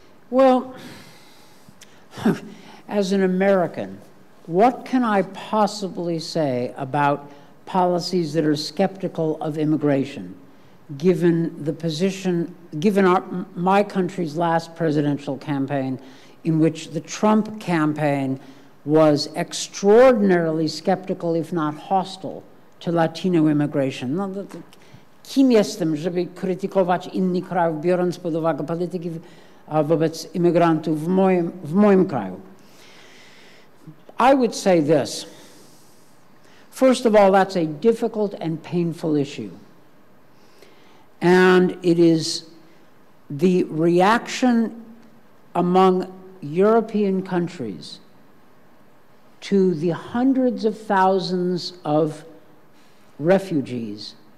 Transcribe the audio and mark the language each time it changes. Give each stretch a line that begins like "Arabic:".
English: Well, as an American, what can I possibly say about policies that are skeptical of immigration, given the position, given my country's last presidential campaign, in which the Trump campaign was extraordinarily skeptical, if not hostile, to Latino immigration?
Polish: Kim jestem, żeby krytykować inny kraj, biorąc pod uwagę polityki wobec imigrantów w moim kraju?
English: I would say this. First of all, that's a difficult and painful issue. And it is the reaction among European countries to the hundreds of thousands of refugees